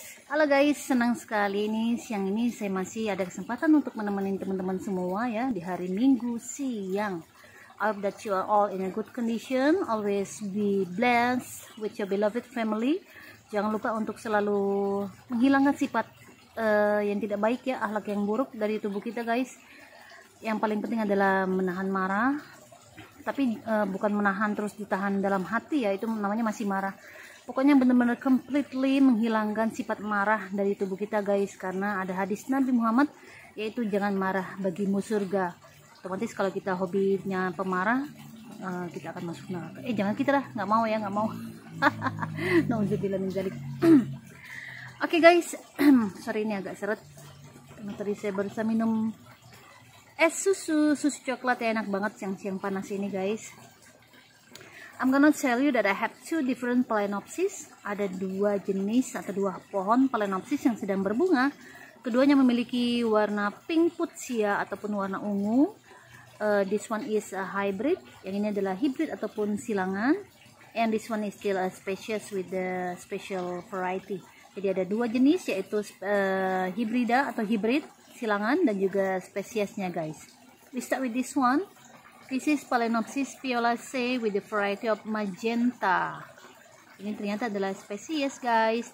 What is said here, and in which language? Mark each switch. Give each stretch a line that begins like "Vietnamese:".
Indonesian: Halo guys, senang sekali ini siang ini saya masih ada kesempatan untuk menemani teman-teman semua ya di hari Minggu siang.
English: I hope that you are all in a good condition, always be blessed with your beloved family.
Indonesian: Jangan lupa untuk selalu menghilangkan sifat yang tidak baik ya, akhlak yang buruk dari tubuh kita guys. Yang paling penting adalah menahan marah. Tapi bukan menahan terus ditahan dalam hati ya, itu namanya masih marah. Pokoknya benar-benar completely menghilangkan sifat marah dari tubuh kita guys. Karena ada hadis Nabi Muhammad, yaitu jangan marah bagimu surga. Otomatis kalau kita hobinya pemarah, kita akan masuk neraka. Jangan kita lah, gak mau ya, gak mau. Na'udzubillah min dzalik. Oke guys, sorry ini agak seret. Tadi saya barusan minum es susu, susu coklat ya, enak banget siang-siang panas ini guys.
English: I'm gonna tell you that I have two different phalaenopsis.
Indonesian: Ada dua jenis atau dua pohon phalaenopsis yang sedang berbunga. Keduanya memiliki warna pink fuchsia ataupun warna ungu.
English: This one is a hybrid.
Indonesian: Yang ini adalah hybrid ataupun silangan.
English: And this one is still a species with the special variety.
Indonesian: Jadi ada dua jenis yaitu hybrida atau hybrid silangan dan juga spesiesnya guys.
English: We start with this one. This is Phalaenopsis violaceae with the variety of magenta.
Indonesian: Ini ternyata adalah spesies guys.